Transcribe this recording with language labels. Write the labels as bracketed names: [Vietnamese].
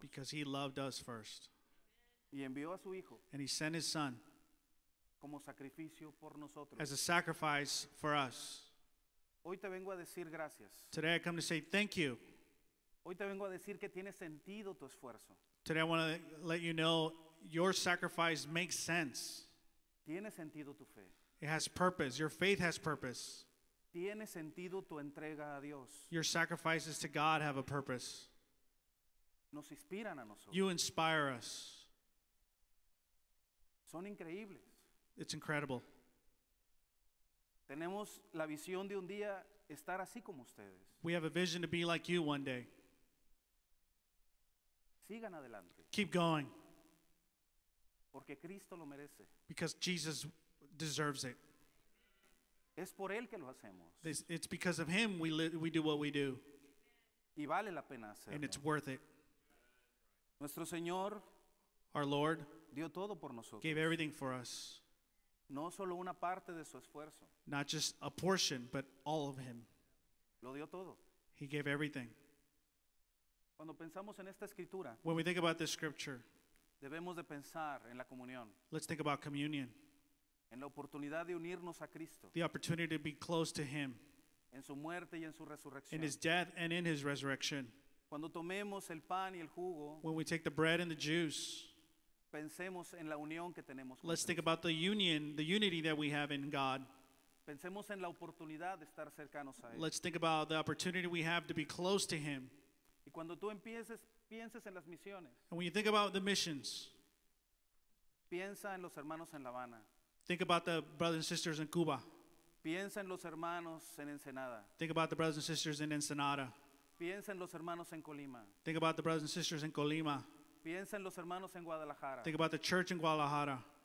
[English] Because he loved us first. [Spanish] Y envió a su hijo. [English] And he sent his son. [Spanish] Como sacrificio por nosotros. [English] As a sacrifice for us. [Spanish] Hoy te vengo a decir gracias. [English] Today I come to say thank you. [Spanish] Hoy te vengo a decir que tiene sentido tu esfuerzo. [English] Today I want to let you know your sacrifice makes sense. [Spanish] Tiene sentido tu fe. [English] It has purpose. Your faith has purpose. [Spanish] Tiene sentido tu entrega a Dios. [English] Your sacrifices to God have a purpose. [Spanish] Nos inspiran a nosotros. [English] You inspire us. [Spanish] Son increíbles. [English] It's incredible. [Spanish] Tenemos la visión de un día estar así como ustedes. [English] We have a vision to be like you one day. [Spanish] Sigan adelante. [English] Keep going. [Spanish] Porque Cristo lo merece. [English] Because Jesus deserves it. [Spanish] Es por él que lo hacemos. [English] It's because of him we do what we do. [Spanish] Y vale la pena hacerlo. [English] And it's worth it. [Spanish] Nuestro Señor, [English] our Lord, [Spanish] dio todo por nosotros. [English] Gave everything for us. [Spanish] No solo una parte de su esfuerzo. [English] Not just a portion, but all of him. [Spanish] Lo dio todo. [English] He gave everything. [Spanish] Cuando pensamos en esta escritura, [English] when we think about this scripture, [Spanish] debemos de pensar en la comunión. [English] Let's think about communion. [Spanish] En la oportunidad de unirnos a Cristo. [English] The opportunity to be close to him. [Spanish] En su muerte y en su resurrección. [English] In his death and in his resurrection. [Spanish] Cuando tomemos el pan y el jugo, [English] when we take the bread and the juice, [Spanish] pensemos en la unión que tenemos. [English] Let's think about the unity that we have in God. [Spanish] Pensemos en la oportunidad de estar cercanos a él. [English] Let's think about the opportunity we have to be close to him. [Spanish] Y cuando tú empieces, pienses en las misiones. [English] And when you think about the missions, [Spanish] piensa en los hermanos en La Habana. [English] Think about the brothers and sisters in Cuba. [Spanish] Piensa en los hermanos en Ensenada. [English] Think about the brothers and sisters in Ensenada. [Spanish] Piensa en los hermanos en Colima. [English] Think about the brothers and sisters in Colima. [Spanish] Piensa en los hermanos en Guadalajara. [English] Think about the church in Guadalajara.